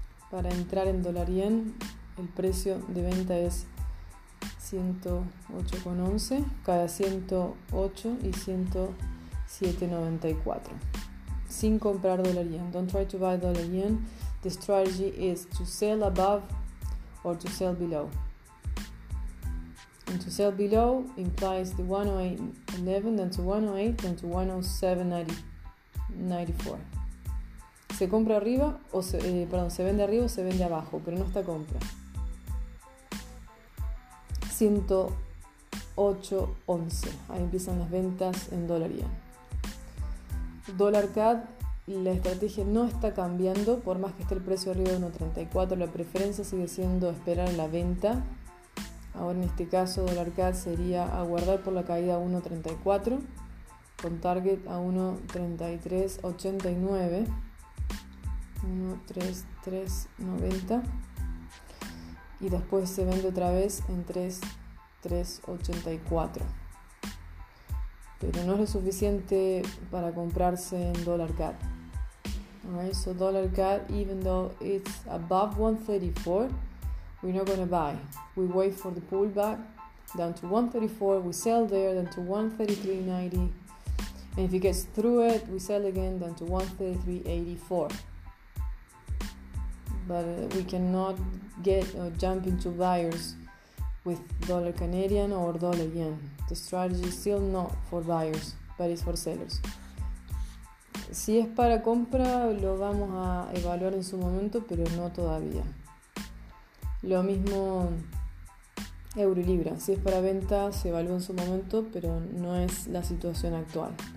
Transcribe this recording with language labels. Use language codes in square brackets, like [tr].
[es] Para entrar en dólar yen, el precio de venta es 108.11, cada 108 y 107.94. Sin comprar dólar yen. [en] Don't try to buy dólar yen. The strategy is to sell above or to sell below. And to sell below implies the 108.11, then to 108, then to 107.94. [es] Se compra arriba o se vende arriba o se vende abajo, pero no está compra. 108.11. Ahí empiezan las ventas en dólar yen. Dólar CAD. La estrategia no está cambiando, por más que esté el precio arriba de 1.34, la preferencia sigue siendo esperar la venta. Ahora en este caso, dólar CAD sería aguardar por la caída a 1.34, con target a 1.3389, 1.3390, y después se vende otra vez en 3.3384. Pero no es lo suficiente para comprarse en dólar CAD. [en] Alright, so dollar CAD, even though it's above 1.34, we're not gonna buy. We wait for the pullback down to 1.34, we sell there, down to 1.33.90. And if it gets through it, we sell again down to 1.33.84. But we cannot get or jump into buyers with dollar Canadian or dollar yen. The strategy is still not for buyers, but it's for sellers. [es] Si es para compra, lo vamos a evaluar en su momento, pero no todavía. Lo mismo euro y libra. Si es para venta, se evalúa en su momento, pero no es la situación actual.